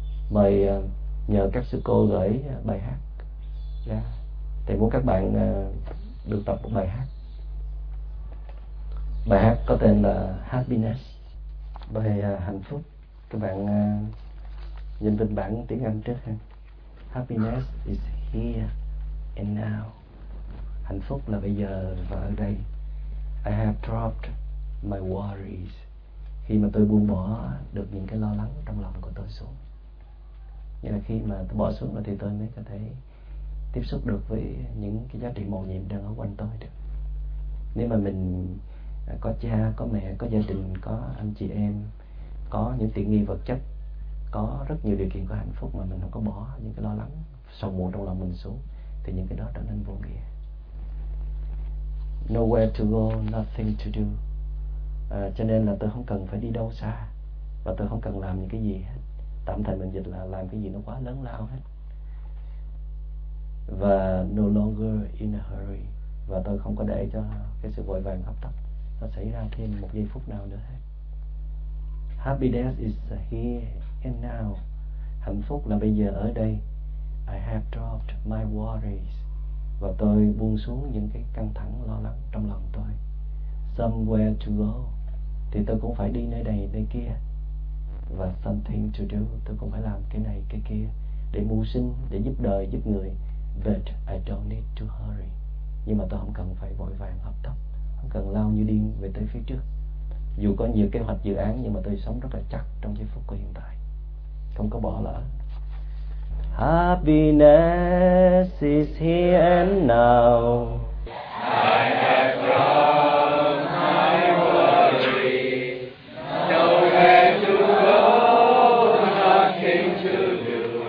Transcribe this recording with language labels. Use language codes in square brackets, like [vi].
[vi] Mời nhờ các sư cô gửi bài hát ra. Thầy muốn các bạn được tập một bài hát. Bài hát có tên là Happiness, bài hạnh phúc. Các bạn nhìn bên bản tiếng Anh trước ha. [en] Happiness is here and now. [vi] Hạnh phúc là bây giờ và ở đây. [en] I have dropped my worries. [vi] Khi mà tôi buông bỏ được những cái lo lắng trong lòng của tôi xuống. Nghĩa là khi mà tôi bỏ xuống rồi thì tôi mới có thể tiếp xúc được với những cái giá trị mầu nhiệm đang ở quanh tôi được. Nếu mà mình có cha, có mẹ, có gia đình, có anh chị em, có những tiện nghi vật chất, có rất nhiều điều kiện của hạnh phúc mà mình không có bỏ những cái lo lắng sầu muộn trong lòng mình xuống, thì những cái đó trở nên vô nghĩa. [en] Nowhere to go, nothing to do. [vi] Cho nên là tôi không cần phải đi đâu xa, và tôi không cần làm những cái gì hết. Tạm thời mình dịch là làm cái gì nó quá lớn lao hết. Và [en] no longer in a hurry, [vi] và tôi không có để cho cái sự vội vàng hấp tấp nó xảy ra thêm một giây phút nào nữa hết. [en] Happiness is here and now. [vi] Hạnh phúc là bây giờ ở đây. [en] I have dropped my worries. [vi] Và tôi buông xuống những cái căng thẳng lo lắng trong lòng tôi. [en] Somewhere to go, [vi] thì tôi cũng phải đi nơi này nơi kia. Và [en] something to do, [vi] tôi cũng phải làm cái này cái kia để mưu sinh, để giúp đời giúp người. [en] But I don't need to hurry. [vi] Nhưng mà tôi không cần phải vội vàng hấp tấp, không cần lao như điên về tới phía trước. dù có nhiều kế hoạch dự án nhưng mà tôi sống rất là chắc trong giây phút của hiện tại, không có bỏ lỡ. [en] Happiness is here and now. I have run my worry. Nowhere to go, nothing to do.